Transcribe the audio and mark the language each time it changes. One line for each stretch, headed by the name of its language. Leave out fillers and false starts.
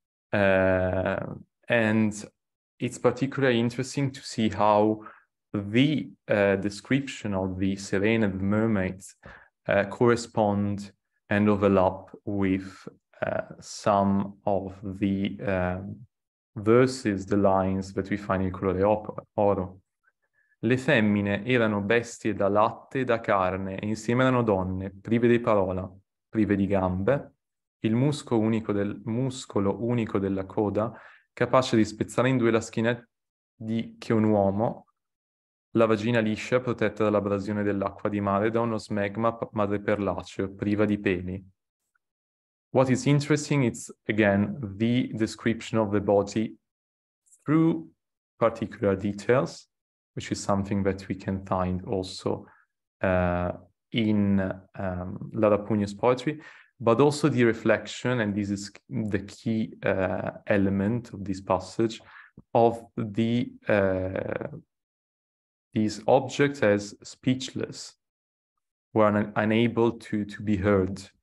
English: And it's particularly interesting to see how the description of the Sirene and the mermaids correspond and overlap with some of the verses, the lines that we find in colore oro.
Italian: Le femmine erano bestie da latte e da carne, e insieme erano donne, prive di parola, prive di gambe, il musco unico del muscolo unico della coda, capace di spezzare in due la schiena di che un uomo, la vagina liscia protetta dall'abrasione dell'acqua di mare da uno smegma madreperlaceo, priva di peli.
English: What is interesting is, again, the description of the body through particular details, which is something that we can find also in Laura Pugno's poetry, but also the reflection, and this is the key element of this passage, of the these objects as speechless, were unable to be heard.